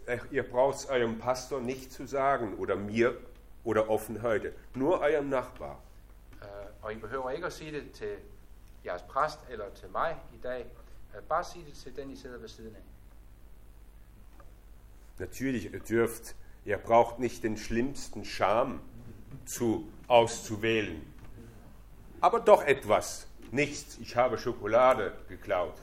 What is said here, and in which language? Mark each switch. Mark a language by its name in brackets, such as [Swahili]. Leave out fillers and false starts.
[German] Ihr braucht eurem Pastor nicht zu sagen, oder mir, oder offen heute. Nur eurem Nachbar. [Danish] Og I behøver ikke at sige det til jeres præst eller til mig i dag. Bare sige det til den, I sidder ved siden af. [German] Natürlich, ihr braucht nicht den schlimmsten Scham auszuwählen. Aber doch etwas. Nichts, ich habe Schokolade geklaut.